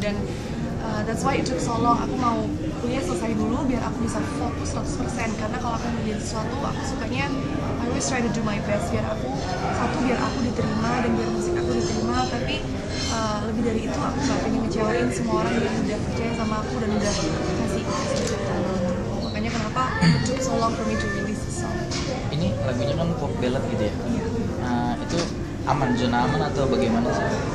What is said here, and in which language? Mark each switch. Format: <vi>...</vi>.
<id>Dan</id> <en>that's why it took so long,</en> <id>aku mau kuliah selesai dulu biar aku bisa fokus 100%, karena kalau aku ngerjain sesuatu aku sukanya</id> <en>I always try to do my best</en> <id>biar aku satu, biar aku diterima dan biar musik aku diterima, tapi lebih dari itu aku gak pengen ngecewain semua orang yang udah percaya sama aku dan udah kasih kesempatan. Makanya kenapa</id> <en>it took so long for me to release the song.</en> <id>Ini lagunya kan pop ballad gitu ya? Iya. Itu aman, zona aman atau bagaimana sih?</id>